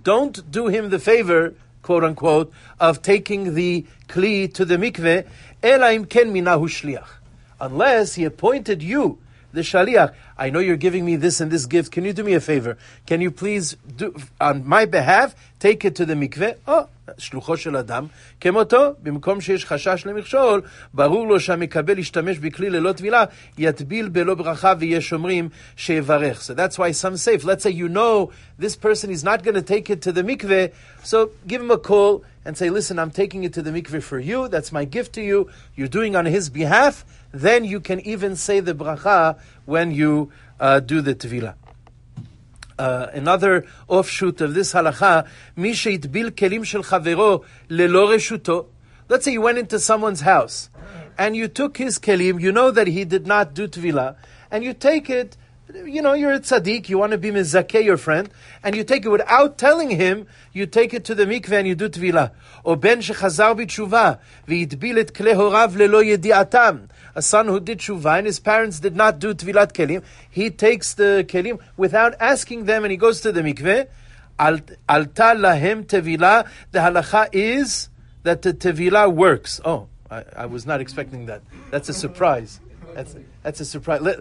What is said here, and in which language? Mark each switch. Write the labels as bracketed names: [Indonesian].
[English] Don't do him the favor, quote unquote, of taking the kli to the mikveh, [Hebrew] אלא אם כן מינהו שליח. [English] Unless he appointed you, the shaliach, I know you're giving me this and this gift, can you do me a favor? Can you please, do on my behalf, take it to the mikveh? Oh, [Hebrew] שלוחו של אדם, כמותו, במקום שיש חשש למכשול, ברור לו שהמקבל ישתמש בכלי ללא תבילה, יטביל בלא ברכה ויש אומרים שיברך. [English] So that's why some say, let's say you know this person is not going to take it to the mikveh, so give him a call and say, listen, I'm taking it to the mikveh for you, that's my gift to you, you're doing on his behalf, then you can even say the bracha when you do the tevila. Another offshoot of this halakha, [Hebrew] מי שיתביל כלים של חברו ללא רשותו, [English] let's say you went into someone's house, and you took his kelim, you know that he did not do tevila, and you take it, you know, you're a tzaddik, you want to be mezakeh your friend, and you take it without telling him, you take it to the mikveh and you do tevila. [Hebrew] או בן שחזר בתשובה, והתביל את כלי הוריו ללא ידיעתם. [English] A son who did tshuva, and his parents did not do tevilat kelim, he takes the kelim without asking them, and he goes to the mikveh. [Hebrew] Alta lahem tevila, [English] the halakha is that the tevila works. Oh, I was not expecting that. That's a surprise. That's a surprise.